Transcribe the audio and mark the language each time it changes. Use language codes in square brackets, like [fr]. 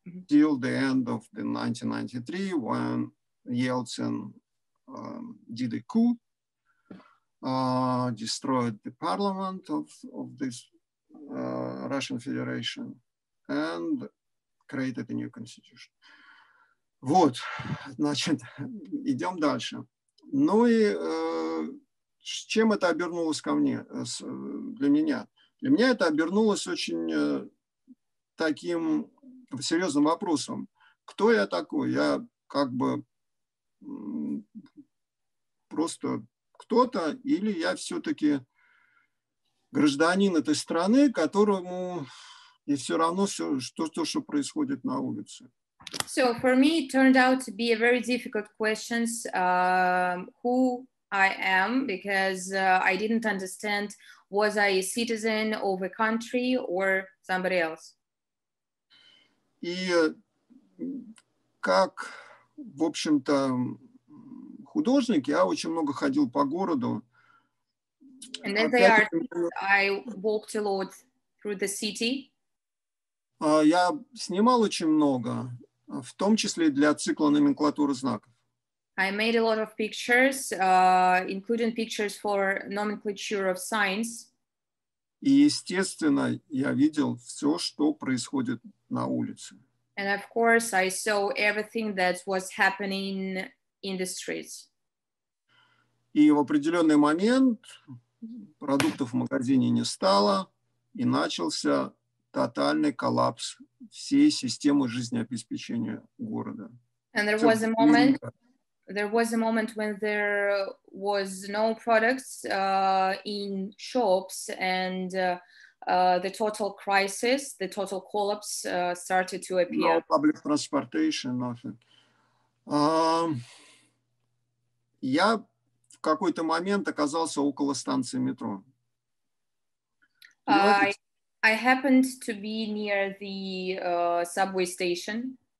[en] Till the end of the 1993, when Yeltsin did a coup, destroyed the parliament of this Russian Federation, and created a new constitution. [ru] Вот, значит, идем дальше. Ну и с чем это обернулось ко мне, для меня? Для меня это обернулось очень таким серьезным вопросом. Кто я такой? Я как бы просто кто-то, или я все-таки гражданин этой страны, которому и все равно все, что происходит на улице. [en] So for me it turned out to be a very difficult question. Who I am, because I didn't understand, was I a citizen of a country or somebody else? [ru] И как, в общем-то, художник, я очень много ходил по городу. [en] And as an artist, I walked a lot through the city. [ru] Я снимал очень много, в том числе для цикла номенклатуры знаков. [en] I made a lot of pictures, including pictures for nomenclature of signs. [ru] И, естественно, я видел все, что происходит на улице. [en] And of course, I saw everything that was happening in the streets. [ru] И в определенный момент продуктов в магазине не стало, и начался тотальный коллапс всей системы жизнеобеспечения города. [en] And there was a moment. There was a moment when there was no products in shops, and the total crisis, the total collapse started to appear. No public transportation, nothing. [ru] Я в какой-то момент оказался около станции метро. [en] I happened to be near the subway station.